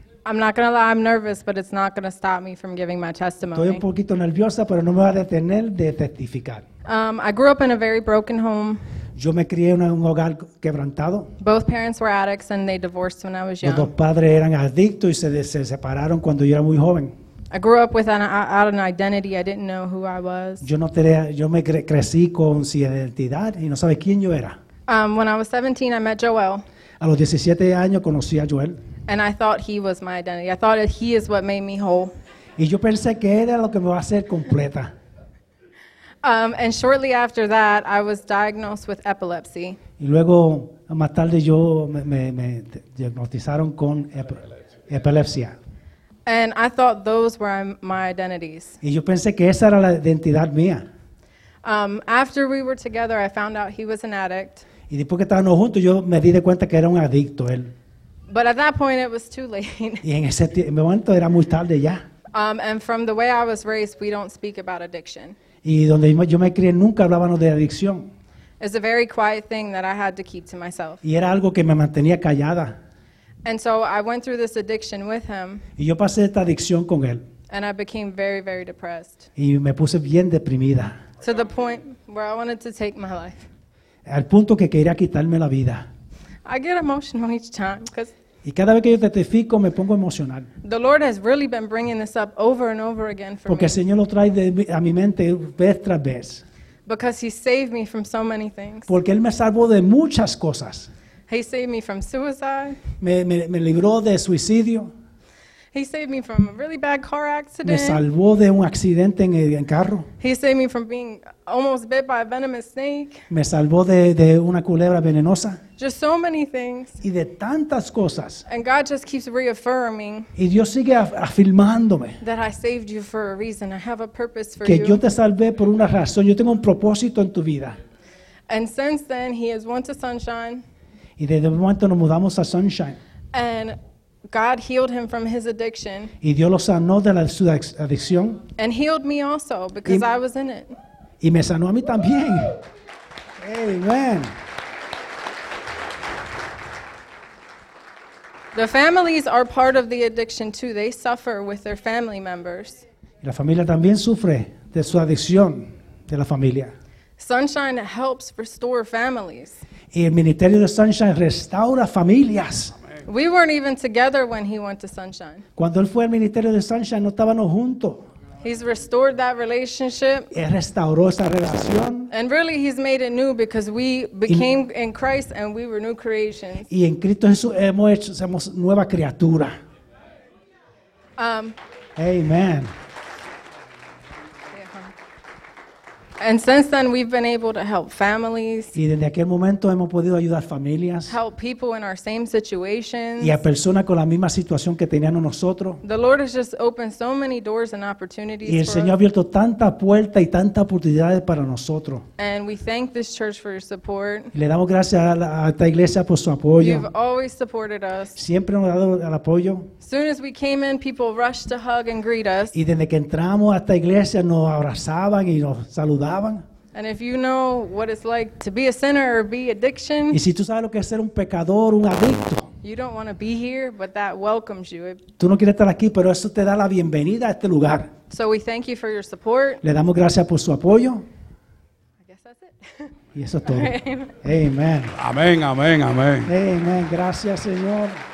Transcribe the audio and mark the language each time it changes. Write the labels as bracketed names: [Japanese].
[English] I'm not going to lie, I'm nervous, but it's not going to stop me from giving my testimony. [Spanish] Estoy un poquito nerviosa, pero no me va a detener de testificar. [English] I grew up in a very broken home. [Spanish] Yo me crié en un hogar quebrantado. [English] Both parents were addicts and they divorced when I was young. [Spanish] Los dos padres eran adictos y se separaron cuando yo era muy joven. [English] I grew up without an identity. I didn't know who I was. [Spanish] Yo me crecí con sin identidad y no sabía quién yo era. [English] When I was 17, I met Joel. [Spanish] A los 17 años conocí a Joel. [English] And I thought he was my identity. I thought he is what made me whole. [Spanish] Y yo pensé que era lo que me va a hacer completa. [English] And shortly after that, I was diagnosed with epilepsy. [Spanish] Y luego más tarde yo me diagnosticaron con epilepsia. [English] And I thought those were my identities. [Spanish] Y yo pensé que esa era la identidad mía. [English] After we were together, I found out he was an addict. [Spanish] Y después que estábamos juntos, yo me di de cuenta que era un adicto él. [English] But at that point, it was too late. [Spanish] Y en ese momento era muy tarde ya. [English] And from the way I was raised, we don't speak about addiction. [Spanish] Y donde yo me crié, nunca hablábamos de adicción. [English] It's a very quiet thing that I had to keep to myself. [Spanish] Y era algo que me mantenía callada. [English] And so I went through this addiction with him. [Spanish] Y yo pasé esta adicción con él. [English] And I became very, very depressed. [Spanish] Y me puse bien deprimida. [English] To the point where I wanted to take my life. [Spanish] Al punto que quería quitarme la vida. [English] I get emotional each time because. [Spanish] Y cada vez que yo testifico me pongo emocional. [English] The Lord has really been bringing this up over and over again for me. [Spanish] Porque el Señor lo trae a mi mente vez tras vez. [English] Because He saved me from so many things. [Spanish] Porque Él me salvó de muchas cosas. [English] He saved me from suicide. [Spanish] Me libró de suicidio. [English] He saved me from a really bad car accident. [Spanish] Me salvó de un accidente en carro. [English] He saved me from being almost bit by a venomous snake. [Spanish] Me salvó de una culebra venenosa. [English] Just so many things. [Spanish] Y de tantas cosas. [English] And God just keeps reaffirming. [Spanish] Y Dios sigue afirmándome. [English] That I saved you for a reason. I have a purpose for you. [Spanish] Que yo te salvé por una razón. Yo tengo un propósito en tu vida. [English] And since then, He has went to Sunshine. [Spanish] Y desde el momento nos mudamos a Sunshine. [English] And God healed him from his addiction. [Spanish] Y Dios lo sanó de su adicción. [English] And healed me also because I was in it. [Spanish] Y me sanó a mí también. Amen. [English] The families are part of the addiction too. They suffer with their family members. [Spanish] La familia también sufre de su adicción de la familia. [English] Sunshine helps restore families. [Spanish] Y el ministerio de Sunshine restaura familias. [English] We weren't even together when he went to Sunshine. [Spanish] Cuando él fue al ministerio de Sunshine, no estábamos juntos. [English] He's restored that relationship. [Spanish] Él restauró esa relación. [English] And really, he's made it new because we became in Christ and we were new creations. [Spanish] Y en Cristo Jesús somos nueva criatura. [English] Amen. And since then, we've been able to help families. [Spanish] Y desde aquel momento hemos podido ayudar familias. [English] Help people in our same situations. [Spanish] Y a personas con la misma situación que teníamos nosotros. [English] The Lord has just opened so many doors and opportunities. [Spanish] Y el Señor ha abierto tanta puerta y tanta oportunidades para nosotros. [English] And we thank this church for your support. [Spanish] Y le damos gracias a esta iglesia por su apoyo. [English] You've always supported us. [Spanish] Siempre nos ha dado el apoyo. [English] As soon as we came in, people rushed to hug and greet us. [Spanish] Y desde que entramos a esta iglesia nos abrazaban y nos saludaban. [English] And if you know what it's like to be a sinner or be addiction, [Spanish] y si tú sabes lo que es ser un pecador, un adicto, [English] you don't want to be here, but that welcomes you. [Spanish] Tú no quieres estar aquí, pero eso te da la bienvenida a este lugar. [English] So we thank you for your support. [Spanish] Le damos gracias por su apoyo. [English] I guess that's it. [Spanish] Y eso es todo. Amen. Amén, amén, amén. Amén. Gracias, Señor.